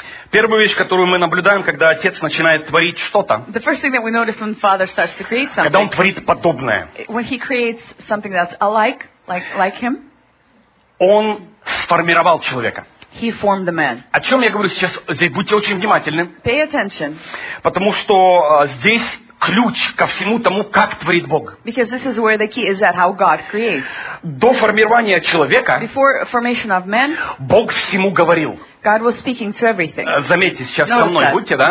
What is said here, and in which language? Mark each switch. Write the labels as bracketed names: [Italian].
[Russian] Первую вещь, которую мы наблюдаем, когда отец начинает творить что-то. [English] The first thing that we notice when father starts to create something. [Russian] Когда он творит подобное. [English] When he creates something that's alike, like him. [Russian] Он сформировал человека. [English] He formed the man. [Russian] О чем я говорю сейчас? Здесь будьте очень внимательны. [English] Pay attention. [Russian] Потому что здесь ключ ко всему тому, как творит Бог. [English] Because this is where the key is at how God creates. [Russian] До формирования человека. [English] Before formation of man. [Russian] Бог всему говорил. [English] God was speaking to everything. [Russian] Заметьте, сейчас со мной будьте, да?